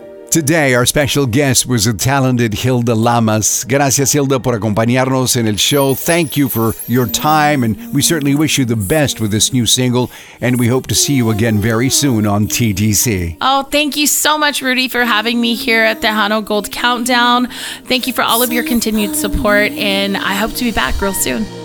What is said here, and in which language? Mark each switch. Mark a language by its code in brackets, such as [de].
[en] Today, our special guest was the talented Hilda Lamas. [es] Gracias, Hilda, por acompañarnos en el show. [en] Thank you for your time, and we certainly wish you the best with this new single, and we hope to see you again very soon on TDC. Oh, thank you so much, Rudy, for having me here at Tejano Gold Countdown. Thank you for all of your continued support, and I hope to be back real soon.